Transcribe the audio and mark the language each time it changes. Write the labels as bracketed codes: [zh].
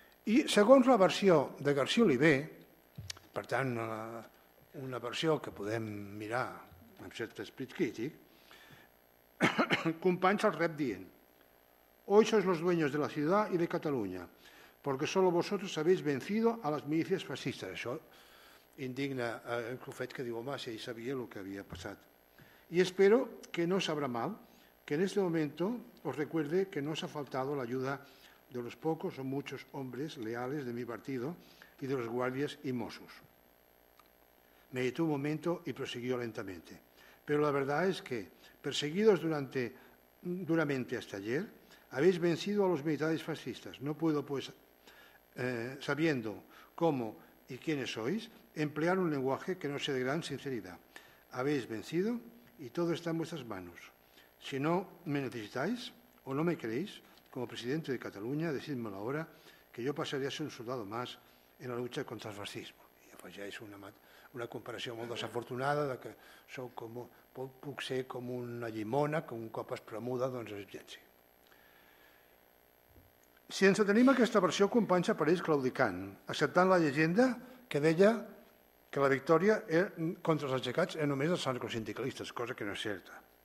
[ca] I segons la versió de García Oliver, per tant, una versió que podem mirar amb cert esperit crític, Companys els rep dient: [es] «Hoy sois los dueños de la ciudad y de Cataluña, porque solo vosotros habéis vencido a las milicias fascistas». [ca] Això indigna el fet que diu, home, si ell sabia el que havia passat. [es] «Y espero que no sabrá mal que en este momento os recuerde que no os ha faltado la ayuda de los pocos o muchos hombres leales de mi partido y de los guardias y mossos». Meditó un momento y prosiguió lentamente: «Pero la verdad es que, perseguidos duramente hasta ayer, habéis vencido a los militares fascistas. No puedo, pues, sabiendo cómo y quiénes sois, emplear un lenguaje que no sea de gran sinceridad. Habéis vencido y todo está en vuestras manos. Si no me necesitáis o no me queréis, como presidente de Cataluña, decídmelo ahora, que yo pasaría a ser un soldado más en la lucha contra el fascismo». [ca] Y afegeix una comparació molt desafortunada de que sou com... puc ser com una llimona que un cop es premuda, doncs es llenci. Si ens atenim a aquesta versió, Companys apareix claudicant, acceptant la llegenda que deia que la victòria contra els aixecats era només dels anarcosindicalistes, cosa que no és certa.